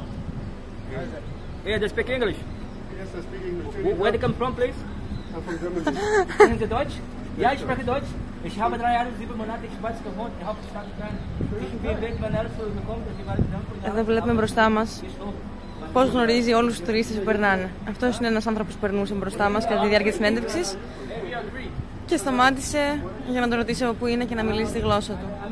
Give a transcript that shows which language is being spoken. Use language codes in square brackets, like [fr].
[en] Yeah. Hey, they speak English? Yes, I speak English. Where do you come from, please? I'm [de] Können Sie Deutsch? Ja, ich spreche Deutsch. Ich habe 3 Jahre, 7 Monate in Schweiz gewohnt, die Hauptstadt Ukraine. Ich bin wegen meiner Erfüllung gekommen, dass ich war in Frankfurt. [el] Εδώ βλέπουμε μπροστά μας πώς γνωρίζει όλους τους τουρίστες που περνάνε. Αυτός είναι ένας άνθρωπος που περνούσε μπροστά μας κατά τη διάρκεια της συνέντευξης και σταμάτησε για να τον ρωτήσω πού είναι και να μιλήσει τη γλώσσα του.